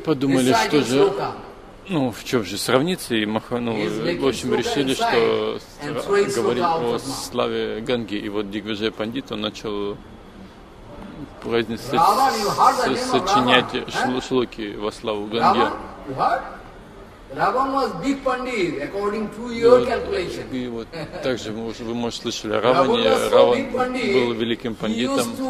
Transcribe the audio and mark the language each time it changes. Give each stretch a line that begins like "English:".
Russian: Подумали, что же, ну, в чем же сравниться, и Махану, в общем, решили, что говорить о славе Ганги. И вот Дигвиджай Пандит, он начал произносить, сочинять шлоки во славу Ганги.
English: Ravan was big pandit according to your calculation.
Russian: И вот также вы можете слышали о Раване. Раван был великим пандитом.